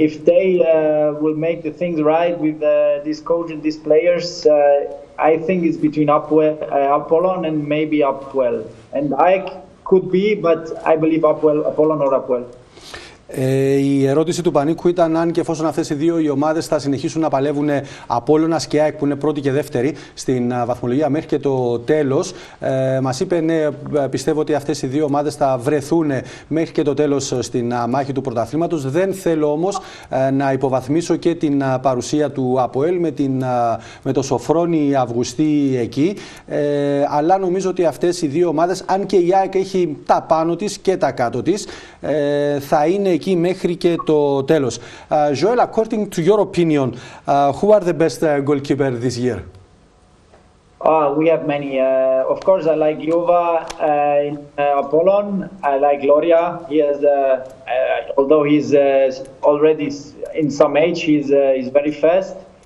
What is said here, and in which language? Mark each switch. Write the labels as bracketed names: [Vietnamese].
[English] If they will make the things right with this coach and these players, I think it's between Apollon and maybe Apoel. And I could be, but I believe Apollon or Apoel. [Greek] Η ερώτηση του Πανίκου ήταν αν και εφόσον αυτές οι δύο οι ομάδες θα συνεχίσουν να παλεύουν, Απόλλωνας και ΑΕΚ που είναι πρώτη και δεύτερη στην βαθμολογία μέχρι και το τέλος. Μας είπε ναι, πιστεύω ότι αυτές οι δύο ομάδες θα βρεθούν μέχρι και το τέλος στην μάχη του πρωταθλήματος. Δεν θέλω όμως να υποβαθμίσω και την παρουσία του Αποέλ με το Σοφρόνι Αυγουστή εκεί. Αλλά νομίζω ότι αυτές οι δύο ομάδες, αν και η ΑΕΚ έχει τα πάνω της και τα κάτω της, θα είναι εκεί μέχρι και το τέλος. [English] Joel, according to your opinion, who are the best goalkeeper this year? We have many. Of course, I like Jova in Apollon. I like Loria. He has, although he's already in some age, he's very fast.